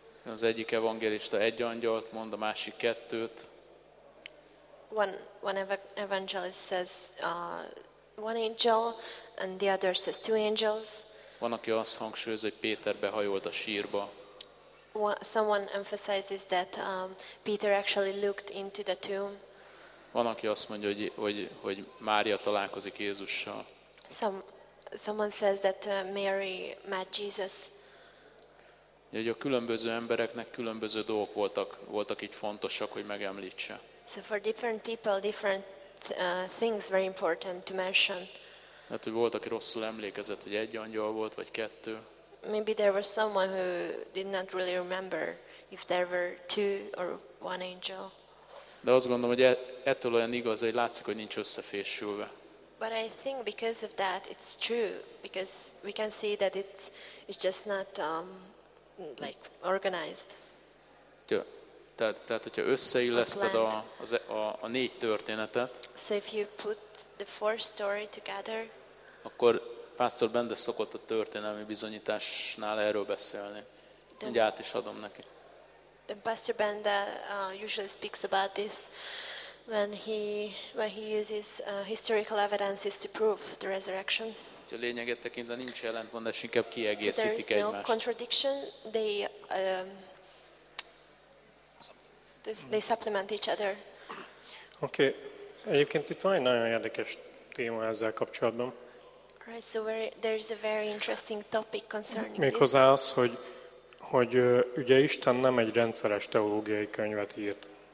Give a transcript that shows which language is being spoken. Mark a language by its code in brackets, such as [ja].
[hu] Az egyik evangélista egy angyalt mond, a másik kettőt. [en] One evangelist says one angel, and the other says two angels. [hu] Van, aki azt hangsúlyozza, hogy Péter behajolt a sírba. [en] Someone emphasizes that Peter actually looked into the tomb. [hu] Van, aki azt mondja, hogy Mária találkozik Jézussal. [en] Someone says that Mary met Jesus. [hu] Hogy a különböző embereknek különböző dolgok voltak így fontosak, hogy megemlítse. [en] So for different people, different things were important to mention. [hu] Hát, hogy volt, aki rosszul emlékezett, hogy egy angyal volt, vagy kettő. [en] Maybe there was someone who did not really remember if there were two or one angel. [hu] De azt gondolom, hogy ettől olyan igaz, hogy látszik, hogy nincs összefésülve. [en] But I think because of that, it's true, because we can see that it's just not like organized. [hu] Tehát, hogyha összeilleszted a négy történetet, [en] so if you put the four story together, [hu] akkor Pásztor Bende szokott a történelmi bizonyításnál erről beszélni. Mindjárt át is adom neki. [en] The Pastor Bende usually speaks about this when he uses historical evidences to prove the resurrection. [hu] A lényeget tekintve nincs ellentmondás, inkább kiegészítik egymást. [en] So there is no contradiction. They supplement each other. Okay. [hu] Egyébként itt van egy nagyon érdekes téma ezzel kapcsolatban. [en] Right, so there is a very interesting topic concerning this. [hu] Méghozzá az, hogy ugye Isten nem egy rendszeres teológiai könyvet írt.